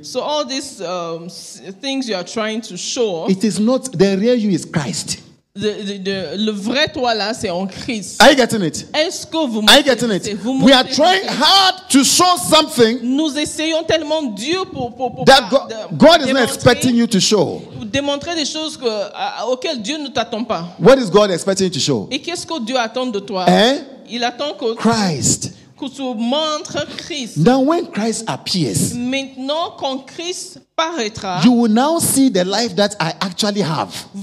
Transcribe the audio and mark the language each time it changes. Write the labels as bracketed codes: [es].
[en] So all these things you are trying to show. It is not the real you is Christ. [fr] Le vrai toi là, c'est en Christ. [en] Are you getting it? [fr] Est-ce que vous [en] are you getting it? [fr] Vous [en] we are trying hard to show something. [fr] Nous essayons tellement dur pour [en] that God is not expecting you to show. [fr] Démontrer des choses auxquelles Dieu ne t'attend pas. [en] What is God expecting you to show? [fr] Et qu'est-ce que Dieu attend de toi? Eh? Il attend que [en] Christ. [fr] Que tu montres Christ. [en] Now when Christ appears, [fr] maintenant quand Christ paraîtra, [en] you will now see the life that I actually have.